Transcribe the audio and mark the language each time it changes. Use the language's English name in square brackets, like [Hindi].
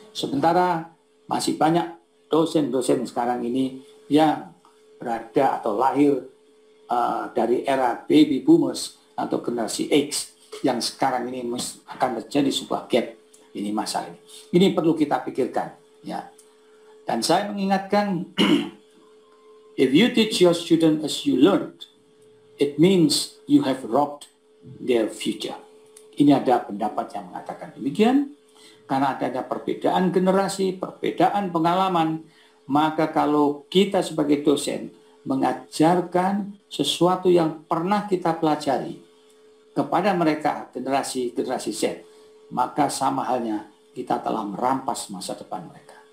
[Indonesian] Sementara masih banyak dosen-dosen sekarang ini yang berada atau lahir dari era baby boomers atau generasi X yang sekarang ini akan terjadi sebuah gap, ini masalah ini. Ini perlu kita pikirkan, ya. Dan saya mengingatkan, [English] if you teach your student as you learned, it means you have robbed their future. [Indonesian] Ini ada pendapat yang mengatakan demikian. Karena adanya perbedaan generasi, perbedaan pengalaman, maka kalau kita sebagai dosen mengajarkan sesuatu yang pernah kita pelajari kepada mereka, generasi-generasi Z, maka sama halnya kita telah merampas masa depan mereka.